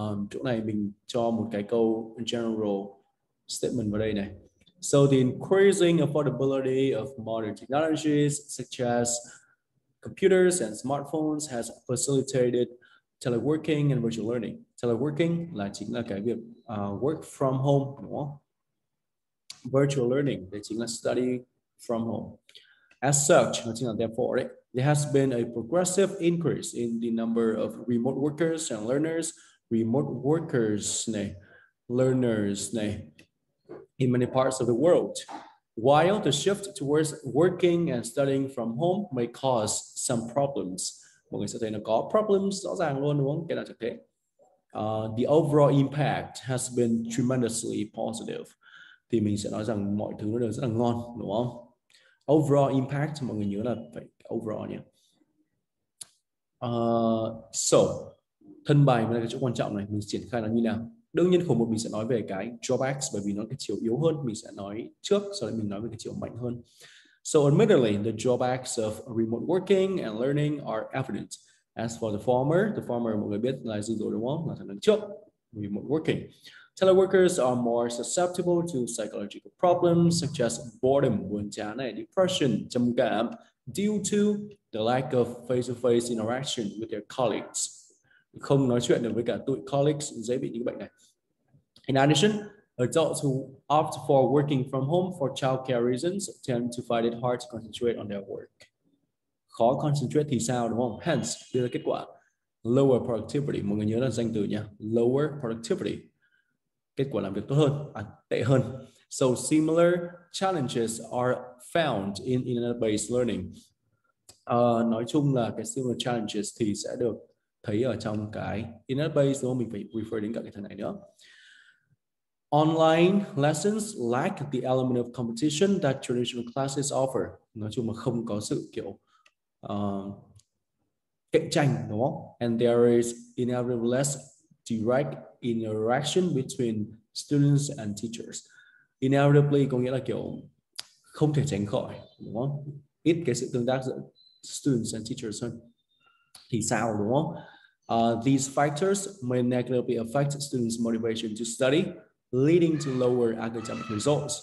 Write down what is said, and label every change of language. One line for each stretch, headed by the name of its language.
Vietnamese: Chỗ này mình cho một cái câu general statement vào đây này.
English: So the increasing affordability of modern technologies such as computers and smartphones has facilitated teleworking and virtual learning.
Vietnamese: Teleworking là chính là cái việc
English: work from home,
Vietnamese: đúng không?
English: Virtual learning
Vietnamese: thì chính là
English: study from home. As such, therefore, right, there has been a progressive increase in the number of remote workers and learners. Remote workers, learners, in many parts of the world. While the shift towards working and studying from home may cause some problems.
Vietnamese: Mọi người sẽ thấy nó có problems rõ ràng luôn đúng không? Cái nào chẳng thế.
English: The overall impact has been tremendously positive.
Vietnamese: Thì mình sẽ nói rằng mọi thứ nó đều rất là ngon đúng không? Overall impact, mọi người nhớ là phải overall nhé. So, thân bài là cái chỗ quan trọng này, mình triển khai nó như nào? Đương nhiên khổ một mình sẽ nói về cái drawbacks bởi vì nó cái chiều yếu hơn, mình sẽ nói trước sau đó mình nói về cái chiều mạnh hơn.
English: So admittedly, the drawbacks of remote working and learning are evident. As for the former
Vietnamese: mọi người biết là gì rồi đúng không? Là thằng đằng trước, remote working.
English: Teleworkers are more susceptible to psychological problems such as boredom,
Vietnamese: buồn chán này,
English: depression,
Vietnamese: trầm cảm
English: due to the lack of face-to-face interaction with their colleagues.
Vietnamese: Không nói chuyện được với cả tụi colleagues dễ bị những bệnh này.
English: In addition, adults who opt for working from home for childcare reasons tend to find it hard to concentrate on their work.
Vietnamese: Khó concentrate thì sao đúng không? Hence, đưa ra kết quả lower productivity. Mọi người nhớ là danh từ nha. Lower productivity. Kết quả làm việc tốt hơn, tệ hơn.
English: So similar challenges are found in internet-based learning.
Vietnamese: Nói chung là cái similar challenges thì sẽ được thấy ở trong cái internet base đó, mình phải refer đến cả cái thằng này nữa.
English: Online lessons lack the element of competition that traditional classes offer.
Vietnamese: Nói chung là không có sự kiểu cạnh tranh đúng không?
English: And there is inevitably less direct interaction between students and teachers.
Vietnamese: Inevitably có nghĩa là kiểu không thể tránh khỏi đúng không? Ít cái sự tương tác giữa students and teachers hơn. Thì sao đúng không?
English: These factors may negatively affect students' motivation to study, leading to lower academic results.